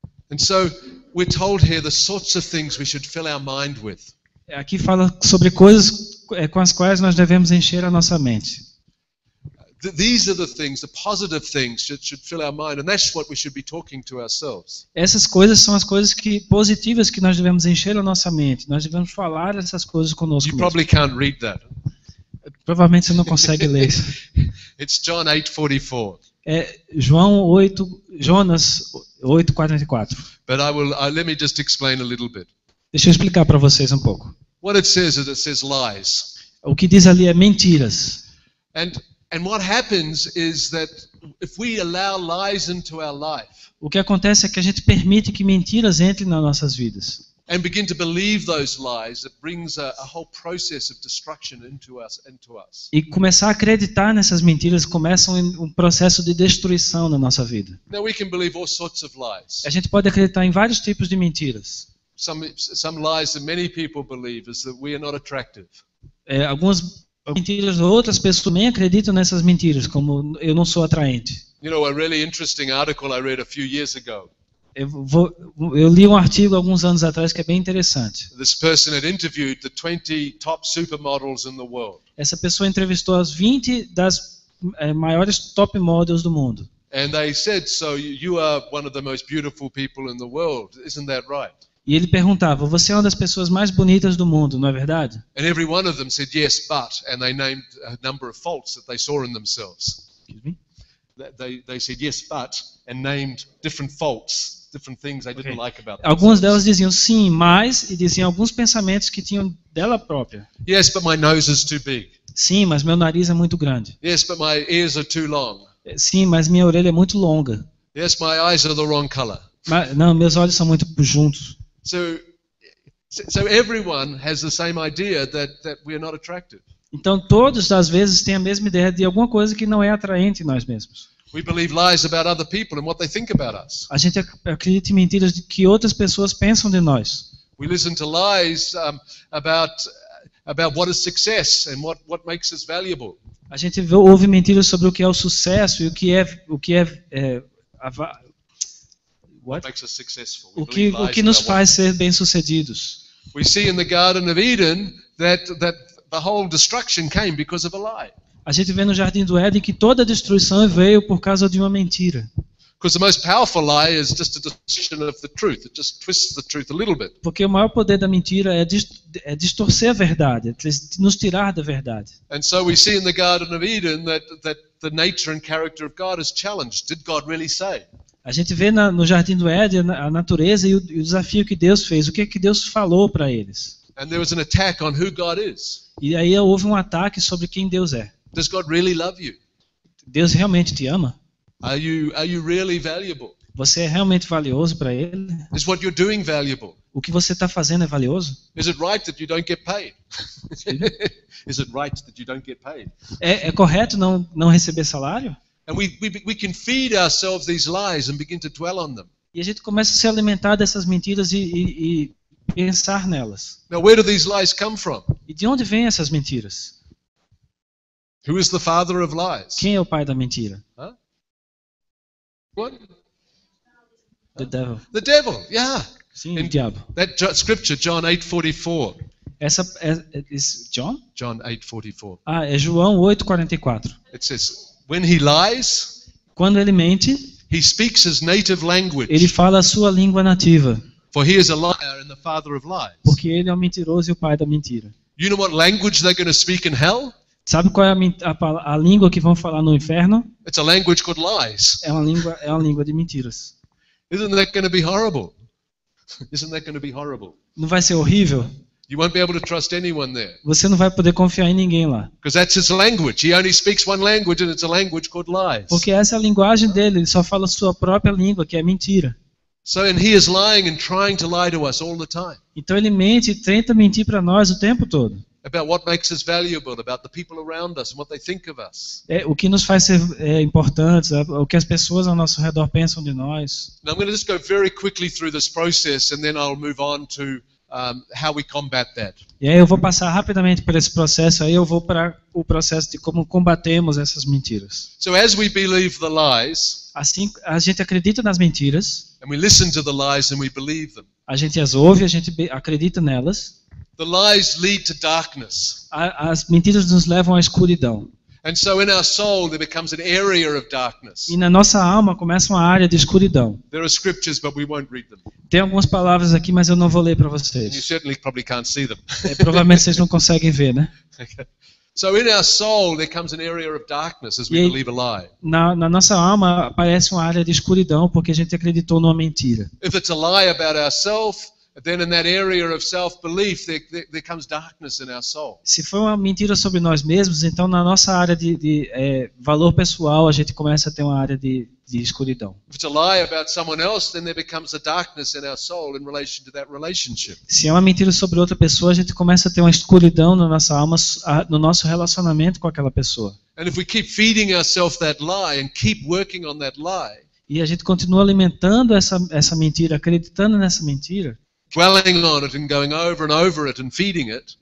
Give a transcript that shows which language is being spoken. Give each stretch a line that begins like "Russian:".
English: And so we're told here the sorts of things we should fill our mind with.
Portuguese: Aqui fala sobre coisas com as quais nós devemos encher a nossa mente.
English: These are the things, the positive things that should fill our mind, and that's what we should be talking to ourselves.
Portuguese: Essas coisas são as coisas que positivas que nós devemos encher a nossa mente. Nós devemos falar essas coisas conosco.
English: You probably can't read that.
Portuguese: Provavelmente você não consegue ler isso.
English: It's John 8:44.
Portuguese: É João 8, Jonas 8:44.
English: But let me just explain a little bit.
Portuguese: Deixa eu explicar para vocês um pouco.
English: What it says is it says lies.
Portuguese: O que diz ali é mentiras.
English: And what happens is that if we allow lies into our life.
Portuguese: O que acontece é que a gente permite que mentiras entrem nas nossas vidas.
English: And begin to believe those lies, it brings a whole process of destruction into us.
Portuguese: E começar a acreditar nessas mentiras começa um processo de destruição na nossa vida.
English: Now we can believe all sorts of lies.
Portuguese: A gente pode acreditar em vários tipos de mentiras.
English: Some lies that many people believe is that we are not attractive.
Portuguese: Algumas mentiras, outras pessoas também acreditam nessas mentiras, como eu não sou atraente.
English: You know, a really interesting article I read a few years ago.
Portuguese: Eu li um artigo alguns anos atrás que é bem interessante.
English: This person had interviewed the 20 top supermodels in the world.
Portuguese: Essa pessoa entrevistou as 20 das maiores top models do mundo.
English: And they said, so you are one of the most beautiful people in the world, isn't that right?
Portuguese: E ele perguntava, você é uma das pessoas mais bonitas do mundo, não é verdade?
English: And every one of them said yes, but, and they named a number of faults that they saw in themselves. Excuse me? They said yes, but, and named different faults, different things they didn't like about themselves.
Portuguese: Algumas delas diziam sim, mas, e diziam alguns pensamentos que tinham dela própria.
English: Yes, but my nose is too big.
Portuguese: Sim, mas meu nariz é muito grande.
English: Yes, but my ears are too long.
Portuguese: Sim, mas minha orelha é muito longa.
English: Yes, my eyes are the wrong color.
Portuguese: Mas, não, meus olhos são muito juntos.
English: So everyone has the same idea that we are not attractive.
Portuguese: Então todos às vezes têm a mesma ideia de alguma coisa que não é atraente em nós mesmos.
English: We believe lies about other people and what they think about us.
Portuguese: A gente acredita em mentiras de que outras pessoas pensam de nós.
English: We listen to lies about what is success and what makes us valuable.
Portuguese: A gente ouve mentiras sobre o que é o sucesso e o que é
English: what makes us successful.
Portuguese: O que nos faz ser bem-sucedidos.
English: We see in the Garden of Eden that the whole destruction came because of a lie.
Portuguese: A gente vê no Jardim do Éden que toda a destruição veio por causa de uma mentira.
English: Because the most powerful lie is just a distortion of the truth. It just twists the truth a little bit.
Portuguese: Porque o maior poder da mentira é distorcer a verdade, é nos tirar da verdade.
English: And so we see in the Garden of Eden that the nature and character of God is challenged. Did God really say?
Portuguese: A gente vê no Jardim do Éden a natureza e o desafio que Deus fez. O que é que Deus falou para eles?
English: And there was an attack on who God is.
Portuguese: E aí houve um ataque sobre quem Deus é.
English: Does God really love you?
Portuguese: Deus realmente te ama?
English: Are you really valuable?
Portuguese: Você é realmente valioso para Ele?
English: Is what you're doing valuable?
Portuguese: O que você está fazendo é valioso?
English: Is it right that you don't get paid? Is it right that you don't get paid?
Portuguese: É correto não receber salário?
English: And we can feed ourselves these lies and begin to dwell on them.
Portuguese: E a gente começa a se alimentar dessas mentiras e pensar nelas.
English: Now, where do these lies come from?
Portuguese: E de onde vêm essas mentiras?
English: Who is the father of lies?
Portuguese: Quem é o pai da mentira?
English: Huh? What? The devil. The devil. Yeah.
Portuguese: Sim, o diabo.
English: That scripture, John 8:44.
Portuguese: Essa é John?
English: John 8:44.
Portuguese: Ah, é João 8:44.
English: It says, when he lies,
Portuguese: quando ele mente,
English: he speaks his native language.
Portuguese: Ele fala a sua língua nativa.
English: For he is a liar and the father of lies.
Portuguese: Porque ele é um mentiroso e o pai da mentira.
English: You know what language they're going to speak in hell?
Portuguese: Sabe qual é a língua que vão falar no inferno?
English: It's a language called lies.
Portuguese: É uma língua de mentiras.
English: Isn't that going to be horrible? Isn't that going to be horrible?
Portuguese: Não vai ser horrível?
English: You won't be able to trust anyone there.
Portuguese: Você não vai poder confiar em ninguém lá.
English: Because that's his language. He only speaks one language, and it's a language called lies.
Portuguese: Porque essa é a linguagem dele. Ele só fala a sua própria língua, que é mentira.
English: So and he is lying and trying to lie to us all the time.
Portuguese: Então ele mente e tenta mentir para nós o tempo todo.
English: About what makes us valuable, about the people around us and what they think of us.
Portuguese: É o que nos faz ser importantes, o que as pessoas ao nosso redor pensam de nós.
English: Now I'm going to just go very quickly through this process, and then I'll move on to how we combat that.
Portuguese: E aí eu vou passar rapidamente por esse processo, aí eu vou para o processo de como combatemos essas mentiras.
English: So as we believe the lies,
Portuguese: assim a gente acredita nas mentiras,
English: and we listen to the lies and we believe them.
Portuguese: A gente as ouve, a gente acredita nelas.
English: The lies lead to darkness.
Portuguese: As mentiras nos levam à escuridão.
English: And so in our soul there becomes an area of darkness.
Portuguese: E na nossa alma começa uma área de escuridão.
English: There are scriptures, but we won't read them.
Portuguese: Tem algumas palavras aqui, mas eu não vou ler para vocês.
English: You certainly probably can't see them.
Portuguese: Provavelmente vocês não conseguem ver, né?
English: So in our soul there comes an area of darkness as we believe a lie.
Portuguese: Na nossa alma aparece uma área de escuridão porque a gente acreditou numa mentira.
English: If it's a lie about ourselves, then in that area of self-belief, there comes darkness in our soul.
Portuguese: Se for uma mentira sobre nós mesmos, então na nossa área de valor pessoal, a gente começa a ter uma área de escuridão.
English: If it's a lie about someone else, then there becomes a darkness in our soul in relation to that relationship.
Portuguese: Se é uma mentira sobre outra pessoa, a gente começa a ter uma escuridão na nossa alma, no nosso relacionamento com aquela pessoa.
English: And if we keep feeding ourselves that lie and keep working on that lie,
Portuguese: e a gente continua alimentando essa mentira, acreditando nessa mentira,
English: dwelling on it and going over and over it and feeding it.